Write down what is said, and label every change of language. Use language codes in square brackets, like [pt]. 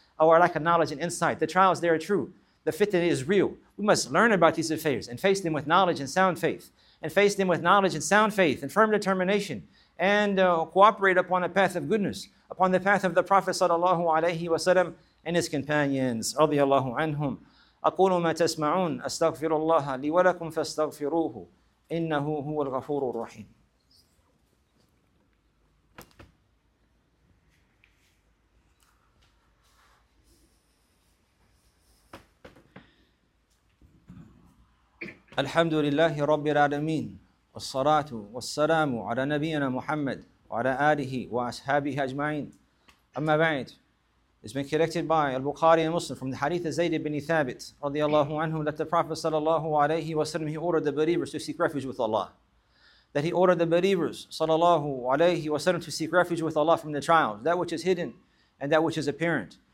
[en] The trials, they are true. The fitna is real. We must learn about these affairs and face them with knowledge and sound faith. And firm determination. And cooperate upon a path of goodness, upon the path of the Prophet sallallahu alayhi wa sallam and his companions, radiyallahu anhum. [ar] أقول ما تسمعون أستغفر الله لي ولكم فاستغفروه إنه هو الغفور الرحيم. الحمد لله رب العالمين والصلاة والسلام على نبينا محمد وعلى آله وأصحابه أجمعين. أما بعد, [en] it's been collected by Al-Bukhari and Muslim from the hadith of Zayd ibn Thabit radiallahu anhu, that the Prophet sallallahu alayhi wa sallam, he ordered the believers to seek refuge with Allah. That he ordered the believers sallallahu alayhi wa sallam to seek refuge with Allah from the trials, that which is hidden and that which is apparent.